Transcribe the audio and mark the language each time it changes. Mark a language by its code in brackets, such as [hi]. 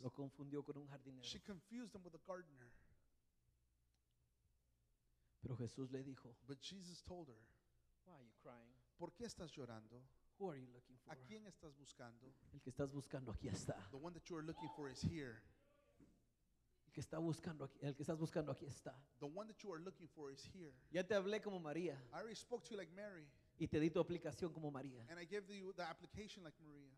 [es] Lo confundió con un jardinero. [en] She confused him with a gardener. [es] Pero Jesús le dijo, [en] but Jesus told her, why are you crying? [es] ¿Por qué estás llorando? [en] Who are you looking for? [es] ¿A quién estás buscando? El que estás buscando aquí está. [en] The one that you are looking for is here. [es] El que está buscando aquí, el que estás buscando aquí está. [en] The one that you are looking for is here. [es] Ya te hablé como María. [en] I already spoke to you like Mary. [es] Y te di tu aplicación como María. [en] And I gave you the application like Maria.